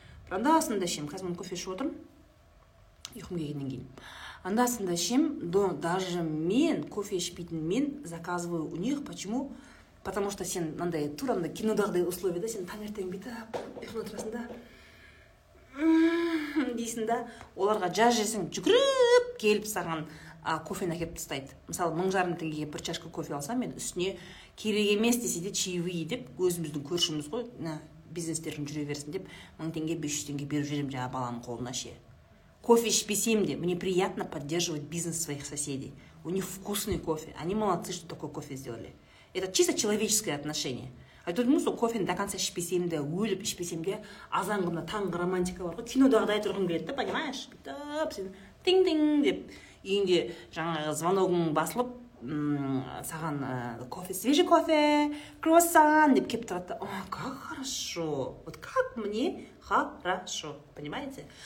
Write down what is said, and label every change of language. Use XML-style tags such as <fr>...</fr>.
<kk>Анда-санда ішемін, қазір мен кофе ішіп отырмын, ұйқым келгеннен кейін. Анда-санда ішемін,</kk> <ru>даже</ru> <kk>мен кофе ішпейтін мен</kk> <ru>заказываю у них, почему? Потому что</ru> <kk>сен мынандай тура мына кинодағыдай условияда сен таңертең бүйтіп ұйқыңда отырасың да дейсің да, оларға жаз жесің, жүгіріп келіп саған кофені әкеліп тастайды. Мысалы, 1500 теңгеге бір чашка кофе алсам, мен үстіне керек емес десе де чаевые деп, өзіміздің көршіміз ғой, бизнестерің жүре берсін деп, 1000 теңге, 500 теңге беріп жүремін жаңа баланың қолына ше. Кофе ішпесем де,</kk> <ru>мне приятно поддерживать бизнес своих соседей. У них вкусный кофе, они молодцы, что такой кофе сделали. Это чисто человеческое отношение.</ru> <kk>Айтудың сол кофені</kk> <ru>до конца</ru> <kk>ішпесем де, өліп ішпесем де, азанғымда таңғы романтика бар ғой, кинодағыдай тұрғым келеді,</kk> <ru>понимаешь?</ru> <kk>Бүйтіп сен тиң-тиң деп үйінде жаңағы звоногың басылып, саған кофе,</kk> <ru>свежий кофе,</ru> <kk>круассан деп келіп тұрады да,</kk> <ru>о, как хорошо, вот как мне хорошо, понимаете?</ru>